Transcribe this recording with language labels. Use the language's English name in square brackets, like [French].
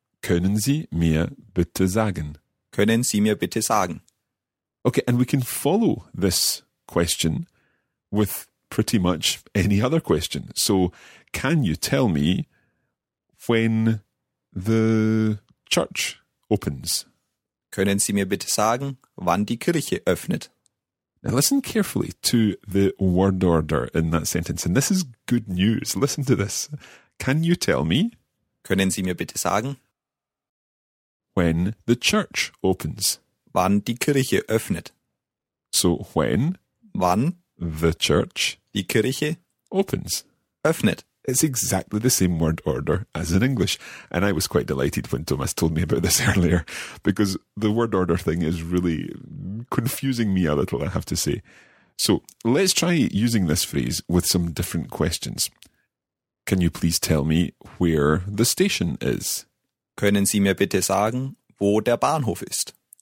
[German] Können Sie mir bitte sagen? Können Sie mir bitte sagen? [English] Okay, and we can follow this question with pretty much any other question. So can you tell me when the church opens? [German] Können Sie mir bitte sagen, wann die Kirche öffnet? [English] Now listen carefully to the word order in that sentence, and this is good news. Listen to this. Can you tell me? [German] Können Sie mir bitte sagen? [English] When the church opens. [German] Wann die Kirche öffnet. [English] So when? [German] Wann? [English] The church. [German] Die Kirche. [English] Opens. [German] Öffnet. [English] It's exactly the same word order as in English. And I was quite delighted when Thomas told me about this earlier, because the word order thing is really confusing me a little, I have to say. So let's try using this phrase with some different questions. Can you please tell me where the station is? [German] Können Sie mir bitte sagen, wo der Bahnhof ist?